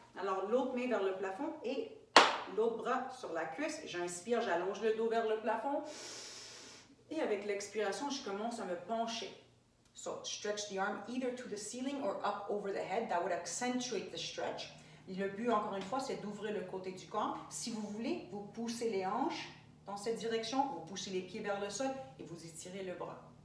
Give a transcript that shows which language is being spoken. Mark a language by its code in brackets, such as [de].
[fr] Alors, l'autre main vers le plafond et l'autre bras sur la cuisse. J'inspire, j'allonge le dos vers le plafond. Et avec l'expiration, je commence à me pencher. [en] So, stretch the arm either to the ceiling or up over the head. That would accentuate the stretch. [fr] Le but, encore une fois, c'est d'ouvrir le côté du corps. Si vous voulez, vous poussez les hanches dans cette direction, vous poussez les pieds vers le sol et vous étirez le bras.